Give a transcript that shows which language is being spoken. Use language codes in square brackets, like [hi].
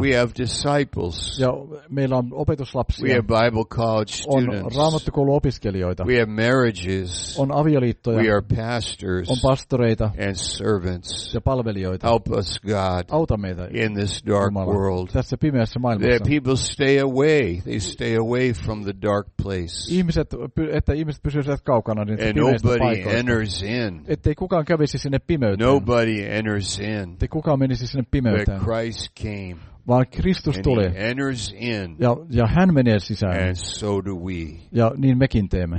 [en] we have disciples, [fi] ja meillä on opetuslapsia, [en] we have Bible college students, [fi] on raamattukouluopiskelijoita, [en] we have marriages, [fi] on avioliittoja, [en] we are pastors, [fi] on pastoreita, [en] and servants, [fi] ja palvelijoita, [en] help us God, [fi] auta meitä, [en] in this dark [fi] Jumala, [en] world, [fi] tässä pimeässä maailmassa, [en] that people stay away, they stay away from the dark place, [fi] ihmiset, että ihmiset pysyisivät kaukana niistä pimeistä paikoista, [en] and nobody enters in, [fi] ettei kukaan kävisi sinne pimeyteen, [en] nobody enters in, [fi] ettei kukaan menisi sinne pimeyteen, [en] but Christ came. [fi] Vaan Kristus tuli. [en] And he enters in, [fi] ja hän menee sisään. [en] And so do we. [fi] Ja niin mekin teemme.